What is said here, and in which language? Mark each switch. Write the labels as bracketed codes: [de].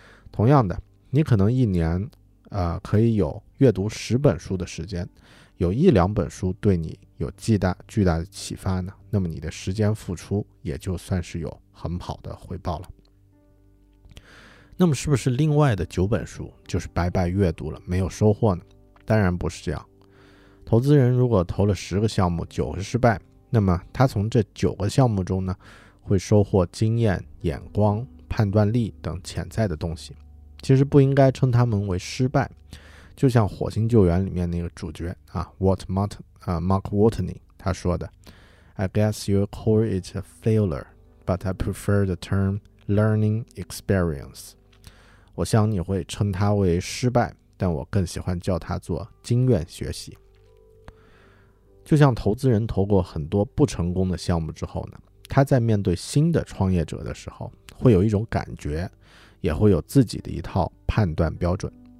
[zh] 同样的，你可能一年可以有阅读10本书的时间，有1-2本书对你有巨大的启发呢，那么你的时间付出也就算是有很好的回报了。那么是不是另外的9本书就是白白阅读了没有收获呢？当然不是这样。投资人如果投了10个项目9个失败，那么他从这9个项目中呢会收获经验、眼光、判断力等潜在的东西，其实不应该称他们为失败。就像《火星救援》里面那个主角 [en] Mark Watney [zh] 他说的 [en] ：“I guess you call it a failure, but I prefer the term learning experience。” [zh] 我想你会称它为失败，但我更喜欢叫它做经验学习。就像投资人投过很多不成功的项目之后呢，他在面对新的创业者的时候会有一种感觉，也会有自己的一套判断标准。